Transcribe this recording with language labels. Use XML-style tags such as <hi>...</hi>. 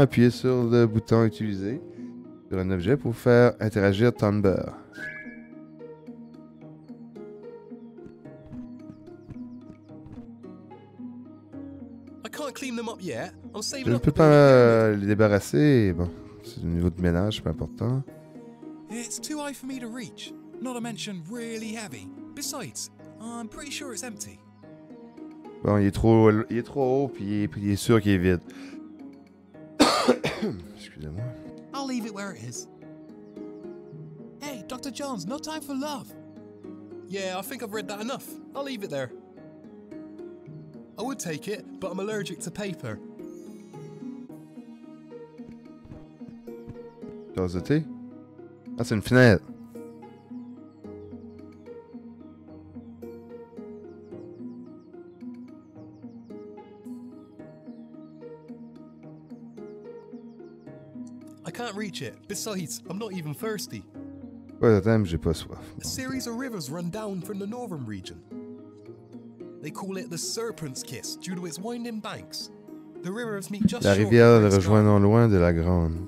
<fr>Appuyez sur le bouton utiliser sur un objet pour faire interagir Tamber. Ok. Je ne peux pas les débarrasser. Bon, c'est le niveau de ménage, c'est pas important.</fr> <en>It's too high for me to reach. Not to mention really heavy. Besides, I'm pretty sure it's empty.</en> <fr>Bon, il est trop haut, puis il est sûr qu'il est vide. Excusez-moi.</fr> <en>I'll leave it where it is. Hey, Dr. Jones, no time for love. Yeah, I think I've read that enough. I'll leave it there. I would take it, but I'm allergic to paper.</en> <fr>Dose de thé? Ah, c'est une fenêtre.</fr> <en>I can't reach it. Besides, I'm not even thirsty.</en> <fr>Ouais, attends, j'ai pas soif.</fr> <en>A series of rivers run down from the northern region. They call it the Serpent's Kiss due to its winding banks. The rivers meet just</en> <fr>la rivière le rejoint non loin de la grande.</fr>